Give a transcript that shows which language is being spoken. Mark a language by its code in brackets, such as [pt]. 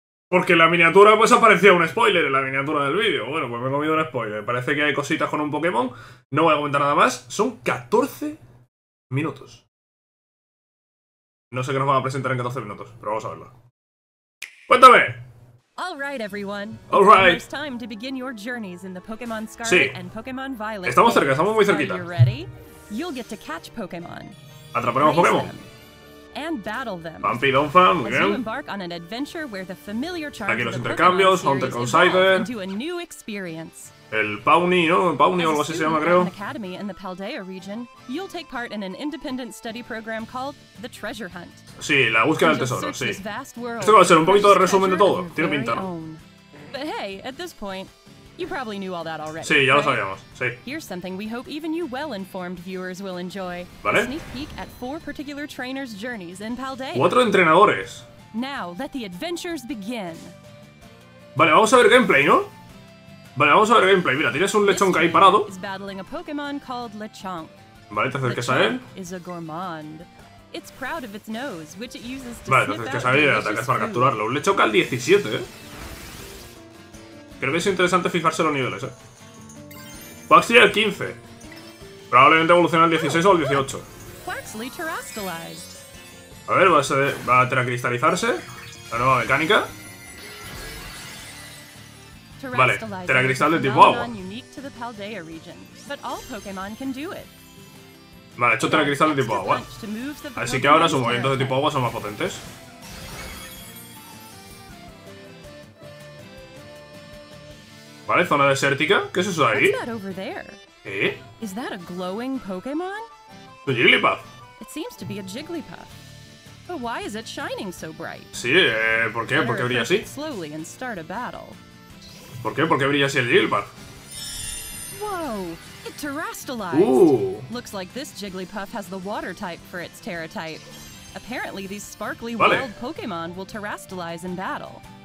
[es] Porque la miniatura pues aparecía un spoiler en la miniatura del vídeo. Bueno, pues me he comido un spoiler, parece que hay cositas con un Pokémon. No voy a comentar nada más, son 14 minutos. No sé qué nos van a presentar en 14 minutos, pero vamos a verlo. ¡Cuéntame! [en] All right, everyone. All right. It's time to begin your journeys in the Pokémon Scarlet and Pokémon Violet. [es] Estamos cerca, estamos muy cerquita. [en] Are you ready? You'll get to catch Pokémon. [es] Atraparemos Pokémon. [en] And battle them. [es] Pampi y Donphan, muy bien. [en] As you embark on an adventure where the familiar charms [es] aquí los intercambios, Hunter con Scyther. [en] Into a new experience. [es] El Pawnee, ¿no? Pawnee o algo así se llama, creo. [en] As a student academy in the Paldea region, you'll take part in an independent study program called the Treasure Hunt. [es] Sí, la búsqueda del tesoro, sí. Esto va a ser un poquito de resumen de todo. Tiene pinta, ¿no? [en] But hey, at this point, you probably knew all that already. [es] Sí, ya lo sabíamos, sí. [en] Here's something we hope even you well-informed viewers will enjoy. [es] Vale. [en] A sneak peek at four particular trainers' journeys in Paldea. [es] Cuatro entrenadores. [en] Now, let the adventures begin. [es] Vale, vamos a ver gameplay, ¿no? Vale, vamos a ver gameplay. Mira, tienes un Lechonk ahí parado. [en] Is battling a Pokémon called Lechonk. [es] Vale, te acerques a él. [en] Is a gourmand. It's proud of its nose, which it uses to [es] vale, entonces que sabe atacar para capturarlo. Un Lechonk al 17, ¿eh? Creo que es interesante fijarse los niveles, ¿eh? Quaxley al 15. Probablemente evolucione al 16 o al 18. [en] Quaxley terrestrialized. [es] A ver, va a tener que cristalizarse. La nueva mecánica. Vale, Terracristal de tipo agua. Vale, hecho Terracristal de tipo agua. Así que ahora sus movimientos de tipo agua son más potentes. Vale, zona desértica. ¿Qué es eso ahí? ¿Eh? ¿Es un glowing Pokémon? ¡Un Jigglypuff! Parece que es un Jigglypuff. ¿Pero por qué está [en] shining so bright? [es] Sí, ¿por qué? ¿Por qué brilla así? Slowly and start a battle. ¿Por qué? ¿Por qué brilla así el Jigglypuff? [en] Wow, it terrestrialized. Looks like this Jigglypuff has the water type for its Terra type. Apparently, these sparkly wild Pokémon will terrestrialize in battle.